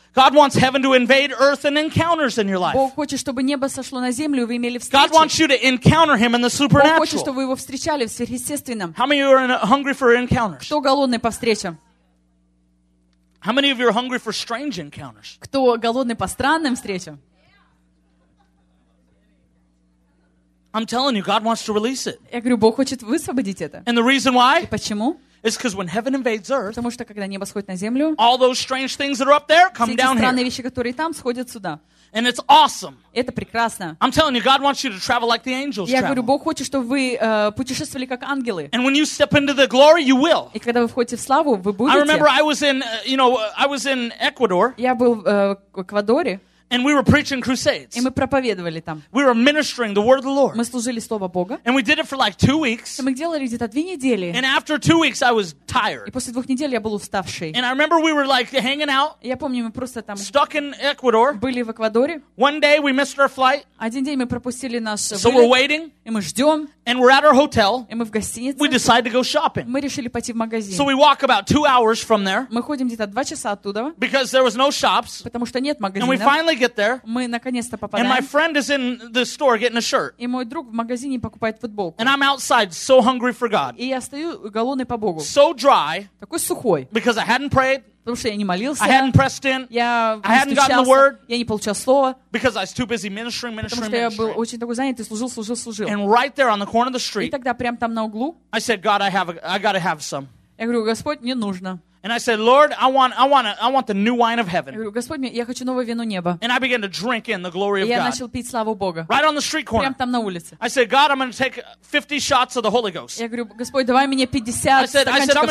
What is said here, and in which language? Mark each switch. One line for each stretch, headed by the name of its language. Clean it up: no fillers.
English: God wants heaven to invade earth and encounters in your life.
Russian: Бог хочет, чтобы небо сошло на землю, и вы имели встречи.
English: God wants you to encounter Him in the supernatural.
Russian: Бог хочет, чтобы вы его встречали в сверхъестественном.
English: How many of you are hungry for encounters?
Russian: Кто голодный по встречам?
English: How many of you are hungry for strange encounters?
Russian: Кто голодный по странным встречам?
English: I'm telling you, God wants to release it.
Russian: Я говорю, Бог хочет высвободить это.
English: And the reason why?
Russian: И почему?
English: It's because when heaven invades earth,
Russian: потому что когда небо сходит на землю,
English: all those strange things that are up there come down here.
Russian: Все эти странные вещи, которые там, сходят сюда.
English: And it's awesome.
Russian: Это прекрасно.
English: I'm telling you, God wants you to travel like the angels travel.
Russian: Я говорю, Бог хочет, чтобы вы путешествовали как ангелы.
English: And when you step into the glory, you will.
Russian: И когда вы входите в славу, вы будете.
English: I remember I was in, you know, I was in Ecuador.
Russian: Я был в Эквадоре.
English: And we were preaching crusades.
Russian: И мы проповедовали там.
English: We were ministering the word of the Lord.
Russian: Мы служили слово Бога.
English: And we did it for like 2 weeks.
Russian: И мы делали где-то 2 недели.
English: And after 2 weeks, I was tired.
Russian: И после 2 недель я был уставший.
English: And I remember we were like hanging out.
Russian: Я помню, мы просто там.
English: Stuck in Ecuador.
Russian: Были в Эквадоре.
English: One day we missed our flight.
Russian: Один день мы пропустили наш вылет.
English: So we're waiting.
Russian: И мы ждем.
English: And we're at our hotel.
Russian: И мы в гостинице.
English: We decide to go shopping.
Russian: Мы решили пойти в магазин.
English: So we walk about 2 hours from there.
Russian: Мы ходим где-то 2 часа оттуда.
English: Because there was no shops.
Russian: Потому что нет магазинов.
English: And we finally get there.
Russian: Мы наконец-то попадаем.
English: And my friend is in the store getting a shirt.
Russian: И мой друг в магазине покупает футболку.
English: And I'm outside so hungry for God.
Russian: И я стою голодный по Богу.
English: So dry.
Russian: Такой сухой.
English: Because I hadn't prayed.
Russian: Потому что я не молился.
English: I hadn't pressed in. I hadn't gotten the word.
Russian: Я не получал слова.
English: Because I was too busy ministering, ministering, ministering.
Russian: Потому что я был очень такой занят и служил, служил, служил.
English: And right there on the corner of the street.
Russian: И тогда прямо там на углу.
English: I said, God, I gotta have some.
Russian: Я говорю, Господь, мне нужно.
English: And I said, Lord, I want the new wine of heaven.
Russian: Я говорю, Господь, я хочу новое вино неба.
English: And I began to drink in the glory of God.
Russian: Я начал пить славу Бога.
English: Right on the street corner.
Russian: Прямо там на улице.
English: I said, God, I'm going to take 50 shots of the Holy Ghost.
Russian: Я говорю, Господь, давай мне 50 стаканчиков Святого Духа.